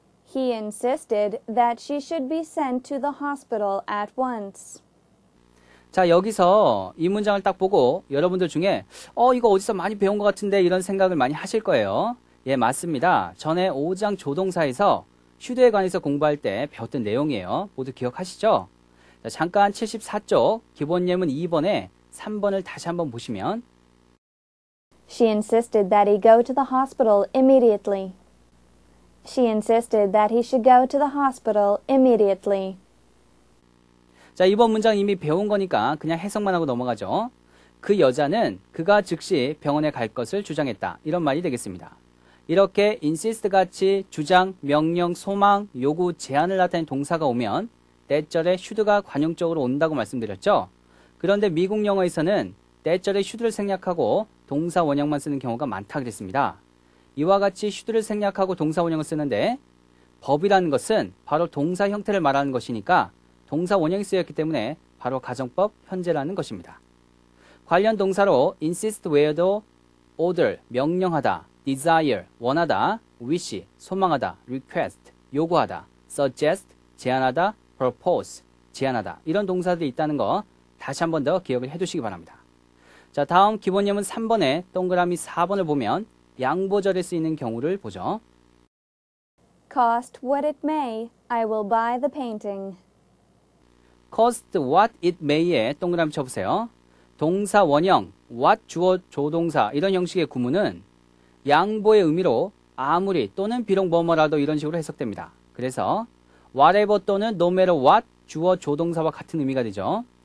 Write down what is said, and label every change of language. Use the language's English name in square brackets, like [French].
[English] He insisted that she should be sent to the hospital at once. [Korean] 자, 여기서 이 문장을 딱 보고 여러분들 중에 이거 어디서 많이 배운 것 같은데 이런 생각을 많이 하실 거예요. 예, 맞습니다. 전에 5장 조동사에서 should에 관해서 공부할 때 배웠던 내용이에요. 모두 기억하시죠? 자, 잠깐 74쪽 기본 예문 2번에 3번을 다시 한번 보시면 [English] She insisted that he go to the hospital immediately. She insisted that he should go to the hospital immediately. [Korean] 자, 이번 문장 이미 배운 거니까 그냥 해석만 하고 넘어가죠. 그 여자는 그가 즉시 병원에 갈 것을 주장했다. 이런 말이 되겠습니다. 이렇게 insist 같이 주장, 명령, 소망, 요구, 제안을 나타낸 동사가 오면 대절의 should가 관용적으로 온다고 말씀드렸죠. 그런데 미국 영어에서는 대절의 should를 생략하고 동사 원형만 쓰는 경우가 많다 그랬습니다. 이와 같이 should를 생략하고 동사 원형을 쓰는데 법이라는 것은 바로 동사 형태를 말하는 것이니까 동사 원형이 쓰였기 때문에 바로 가정법 현재라는 것입니다. 관련 동사로 insist where도 order, 명령하다, desire, 원하다, wish, 소망하다, request, 요구하다, suggest, 제안하다, propose, 제안하다 이런 동사들이 있다는 거 다시 한 번 더 기억을 해두시기 바랍니다. 자, 다음 기본 예문 3번에 동그라미 4번을 보면 양보절에 쓰이는 경우를 보죠. [English] Cost what it may, I will buy the painting. Cost what it may [Korean] 에 동그라미 쳐보세요. 동사 원형, what 주어 조동사 이런 형식의 구문은 양보의 의미로 아무리 또는 비록 뭐뭐라도 이런 식으로 해석됩니다. 그래서 whatever 또는 no matter what 주어 조동사와 같은 의미가 되죠.